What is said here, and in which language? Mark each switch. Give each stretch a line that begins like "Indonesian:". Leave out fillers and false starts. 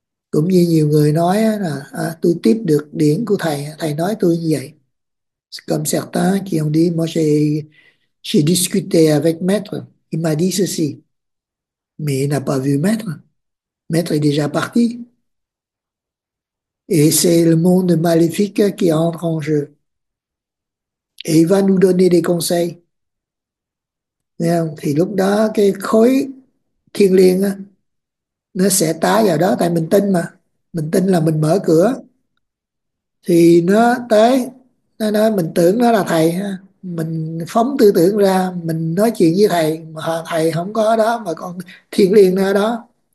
Vietnamese: Cũng như nhiều người nói là à, tôi tiếp được điển của thầy, thầy nói tôi như vậy.
French: Comme certains qui ont dit, moi j'ai discuté avec maître, il m'a dit ceci, mais il n'a pas vu maître. Maître est déjà parti. Et c'est le monde maléfique qui entre en jeu. Et il va nous donner des conseils.
Vietnamese: Thì lúc đó cái khối thiêng liêng á, nó sẽ tá vào đó, tại mình tin mà. Mình tin là mình mở cửa. Thì nó tới, nó nói mình tưởng nó là thầy ha. Mình phóng tư tưởng ra, mình nói chuyện với thầy, mà thầy không có đó, mà còn thiêng liêng nó đó.